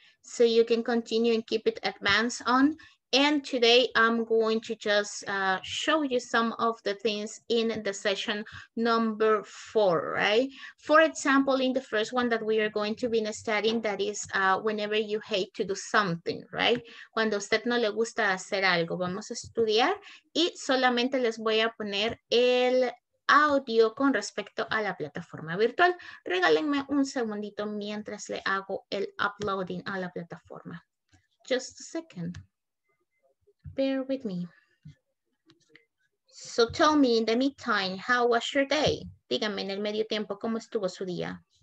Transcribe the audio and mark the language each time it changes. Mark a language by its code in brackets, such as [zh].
[en] So you can continue and keep it advanced on. And today I'm going to just show you some of the things in the session number 4, right? For example, in the first one that we are going to be studying, that is whenever you hate to do something, right? [es] Cuando usted no le gusta hacer algo, vamos a estudiar y solamente les voy a poner el audio con respecto a la plataforma virtual. Regálenme un segundito mientras le hago el uploading a la plataforma. [en] Just a second. Bear with me. So tell me in the meantime, how was your day? [es] Dígame en el medio tiempo, ¿cómo estuvo su día?